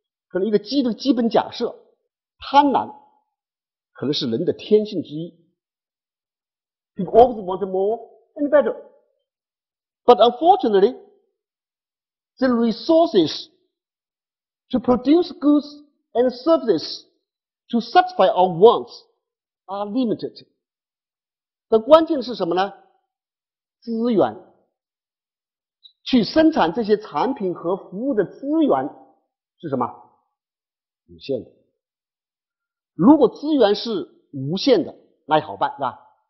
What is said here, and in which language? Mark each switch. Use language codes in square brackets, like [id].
[zh] 可能一个基的基本假设，贪婪可能是人的天性之一。 [en] People always want more and better. But unfortunately, the resources to produce goods and services to satisfy our wants are limited. [zh] 那关键是什么呢？资源。去生产这些产品和服务的资源是什么？有限的。如果资源是无限的，那也好办，是吧？